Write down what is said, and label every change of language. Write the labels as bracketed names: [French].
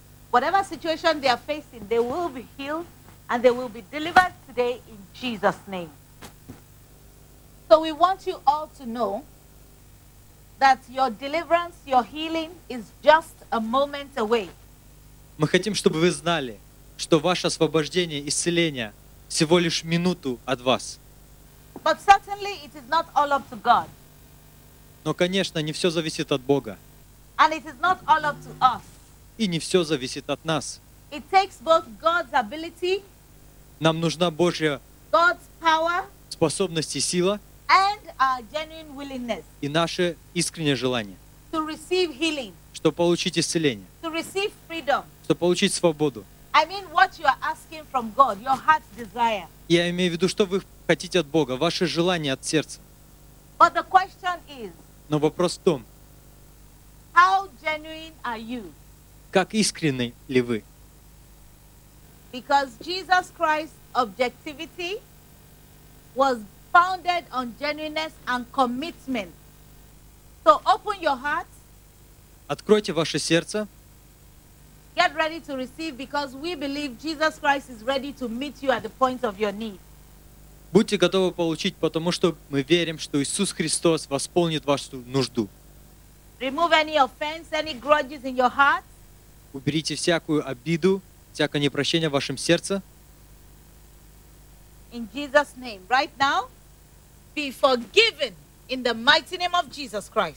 [English] Whatever situation they are facing, they will be healed and they will be delivered today in Jesus' name. So we want you all to know that your deliverance, your healing is just a moment away. [Russian] Мы хотим, чтобы вы знали, что ваше освобождение, исцеление всего лишь минуту от вас. [English] But certainly it is not all up to God. [Russian] Но, конечно, не все зависит от Бога. [English] And it is not all up to us. [Russian] И не все зависит от нас. [English] It takes both God's ability, [Russian] нам нужна Божья [English] God's power, [Russian] способность и сила [English] and our genuine willingness, [Russian] и наше искреннее желание [English] to receive healing, [Russian] чтобы получить исцеление, [English] to receive freedom, [Russian] чтобы получить свободу. [English] I mean what you are asking from God, your heart's desire. [Russian] Я имею в виду, что вы хотите от Бога, ваше желание от сердца. [English] But the question is, [Russian] но вопрос в том, [English] how genuine are you? [Russian] Как искренны ли вы? [English] Because Jesus Christ's objectivity was founded on genuineness and commitment. So open your heart. [Russian] Откройте ваше сердце. [English] Get ready to receive, because we believe Jesus Christ is ready to meet you at the point of your need. [Russian] Будьте готовы получить, потому что мы верим, что Иисус Христос восполнит вашу нужду. [English] Remove any offense, any grudges in your heart. [Russian] Уберите всякую обиду всякое непрощение в вашем сердце. [English] In Jesus' name, right now, be forgiven in the mighty name of Jesus Christ.